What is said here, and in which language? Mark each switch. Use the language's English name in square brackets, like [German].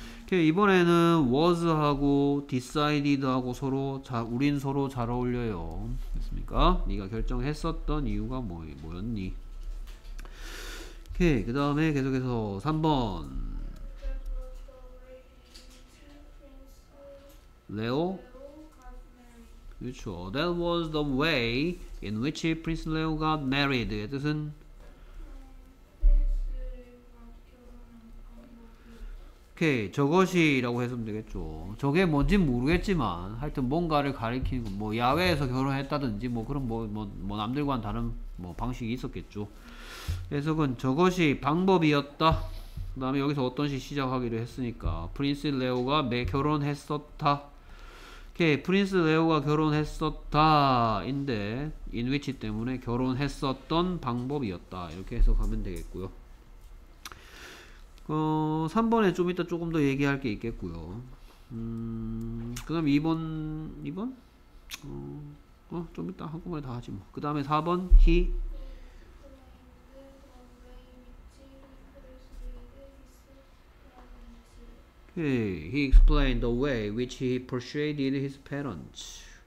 [Korean] 이번에는 was 하고 decided 하고 서로 자, 우린 서로 잘 어울려요. 됐습니까? 네가 결정했었던 이유가 뭐였니? 오케이, 그 다음에 계속해서 3번 레오? 그렇죠. [English] That was the way in which Prince Leo got married. [Korean] 의 뜻은? 오케이, 저것이 라고 해서 되겠죠. 저게 뭔진 모르겠지만 하여튼 뭔가를 가리키는 거, 뭐 야외에서 결혼했다든지 뭐 그런 뭐 남들과는 다른 뭐 방식이 있었겠죠. 해석은 저것이 방법이었다. 그 다음에 여기서 어떤 시 시작하기로 했으니까 프린스 레오가 결혼했었다. 오케이, 프린스 레오가 결혼했었다 인데 in which 때문에 결혼했었던 방법이었다 이렇게 해석하면 되겠고요. 3번에 좀 이따 조금 더 얘기할 게 있겠고요. 그 다음 2번? 좀 이따 한꺼번에 다 하지 뭐. 그 다음에 4번 he 오케이. [English] He explained the way which he persuaded his parents.